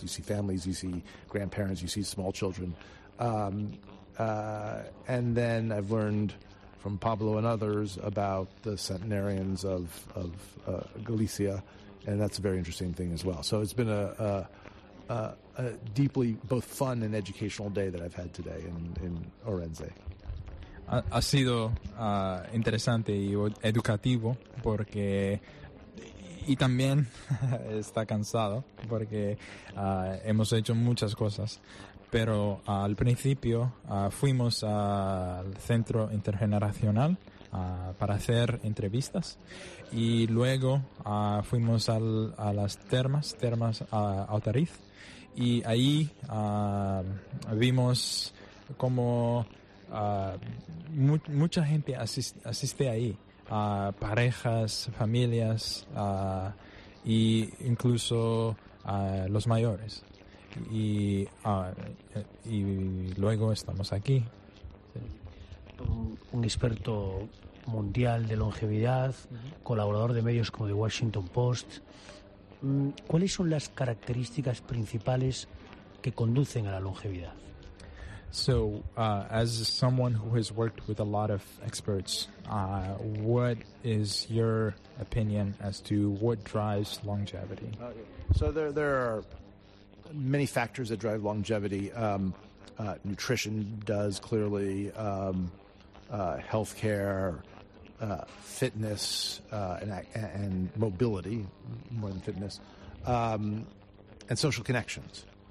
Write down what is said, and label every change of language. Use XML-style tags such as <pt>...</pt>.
<en>You see families, you see grandparents, you see small children. And then I've learned from Pablo and others about the centenarians of Galicia, and that's a very interesting thing as well. So it's been a deeply both fun and educational day that I've had today in Ourense.</en> <es>Ha sido interesante y educativo porque y también está cansado porque hemos hecho muchas cosas. Pero al principio fuimos al centro intergeneracional para hacer entrevistas y luego fuimos a las termas Autariz, y ahí vimos cómo mucha gente asiste ahí, parejas, familias e incluso los mayores. Y luego estamos aquí. Un experto mundial de longevidad, colaborador de medios como The Washington Post. ¿Cuáles son las características principales que conducen a la longevidad?</es> <en>So, as someone who has worked with a lot of experts, what is your opinion as to what drives longevity? So there are many factors that drive longevity. Nutrition does, clearly. Healthcare, fitness, and mobility, more than fitness, and social connections.</en>